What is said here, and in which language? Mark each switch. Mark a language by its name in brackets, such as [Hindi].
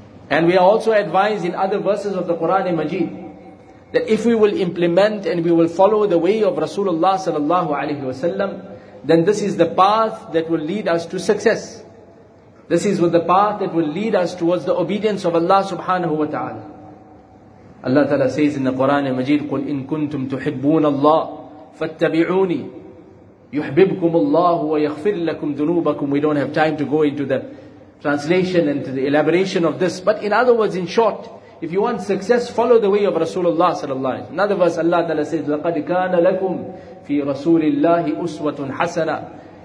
[English] And we are also advised in other verses of the Quran and Majeed, that if we will implement and we will follow the way of Rasulullah sallallahu alayhi wa sallam, then this is the path that will lead us to success. This is the path that will lead us towards the obedience of Allah subhanahu wa ta'ala. Allah Ta'ala says in the Quran Majeed, [Arabic] قُلْ إِن كُنْتُمْ تُحِبُّونَ اللَّهِ فَاتَّبِعُونِي يُحْبِبْكُمُ اللَّهُ وَيَغْفِرْ لَكُمْ ذُنُوبَكُمْ. [English] We don't have time to go into the translation and to the elaboration of this. But in other words, in short, if you want success, follow the way of Rasulullah sallallahu alayhi wa sallam. Another verse, Allah Ta'ala says, [Arabic] لَقَدْ كَانَ لَكُمْ فِي رَسُولِ اللَّهِ أُسْوَةٌ حَسَنَةٌ.